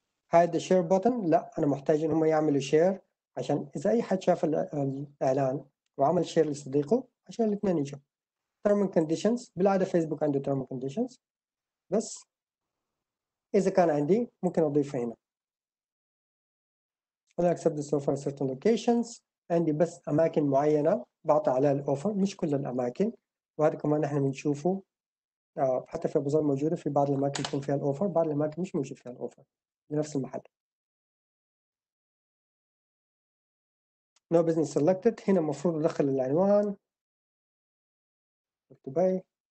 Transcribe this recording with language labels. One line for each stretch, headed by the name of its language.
Arabic: هذا شير بوتن، لا أنا محتاج إن هم يعملوا شير عشان إذا أي حد شاف الإعلان وعمل شير لصديقه عشان الاثنين يجوا.
English: term and conditions
Arabic: بالعادة فيسبوك عنده term and conditions، بس إذا كان عندي ممكن أضيفه هنا.
English: I accept this offer in certain locations.
Arabic: عندي بس أماكن معينة بعطي عليها الأوفر، مش كل الأماكن، وهذا كمان نحن بنشوفه حتى في أبو ظبي موجودة، في بعض الأماكن يكون فيها الأوفر، بعض الأماكن مش موجود فيها الأوفر بنفس المحل.
English: No business selected،
Arabic: هنا المفروض أدخل العنوان دبي.